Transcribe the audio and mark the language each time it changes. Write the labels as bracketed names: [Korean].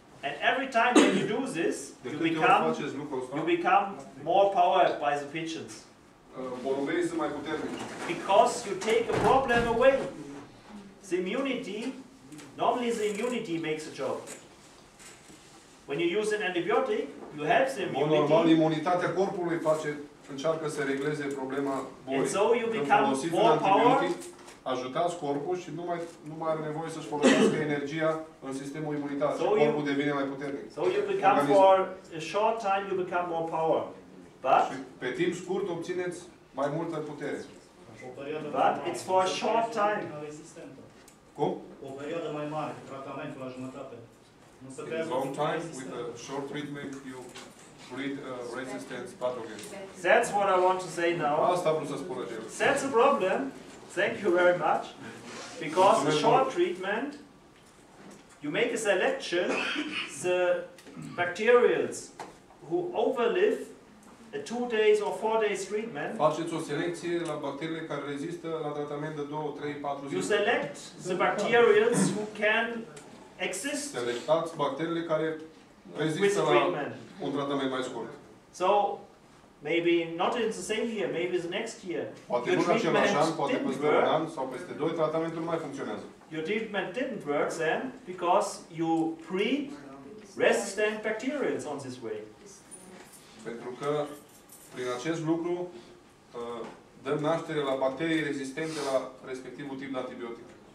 [English] And every time when you do this, you become more powered by the pigeons. [Romanian] Borumbeii sunt mai puternici. [English] Because you take a problem away. The immunity, normally the immunity makes a job. When you use an antibiotic, you help the immunity. [Romanian] Normal, imunitatea corpului face, încearcă să regleze problema boii. [English] And so you become more powered. [Romanian] Ajutați corpul și nu mai are nevoie să-și folosească energia în sistemul imunitar. [English] So [Romanian] corpul devine mai puternic. [English] So you become for a short time you become more power. But [Romanian] și pe timp scurt obțineți mai multă putere. [English] But it's for a short time. [Romanian] Cum? O perioadă mai mare, tratamentul la jumătate. [English] In a long time with a short treatment you breed a resistance pathogen. That's what I want to say now. [Romanian] Asta vreau să spun eu. [English] That's a problem. Thank you very much. Because a short treatment, you make a selection, the bacterials who overlive a 2 days or 4 days treatment. [Romanian] Faceți o selecție la bacteriile care rezistă la tratament de 2, 3, 4 zile. [English] You select the bacterials who can exist. [Romanian] Selectați bacteriile care rezistă la un tratament mai scurt. [English] So, maybe not in the same year, maybe the next year. [Romanian] Poate [English] your treatment [Romanian] an, poate [English] didn't work. [Romanian] An, sau peste doi, tratamentul nu mai funcționează. [English] Your treatment didn't work then because you breed resistant bacteria on this way. [Romanian] Pentru că prin acest lucru dăm naștere la bacterii rezistente la respectivul tip de antibiotic.